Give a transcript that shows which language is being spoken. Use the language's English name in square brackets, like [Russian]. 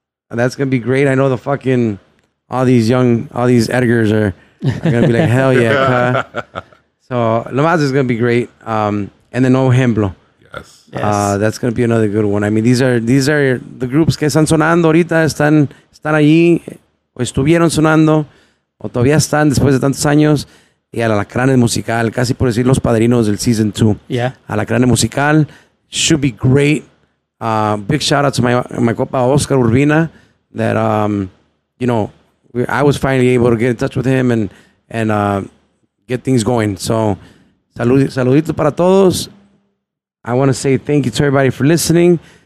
[English] And that's going to be great. I know the fucking, all these Edgars are going to be like, hell yeah. So Le Mans is going to be great. And then Ojemplo. Yes. That's going to be another good one. I mean, these are the groups [Spanish] que están sonando ahorita. Están allí. Estuvieron sonando o todavía están después de tantos años y a Alacranes Musical, casi por decir los padrinos del season 2. [English] Yeah. Alacranes Musical should be great. Big shout out to my copa Oscar Urbina that you know, I was finally able to get in touch with him and get things going. [Spanish] So saluditos para todos. [English] I want to say thank you to everybody for listening.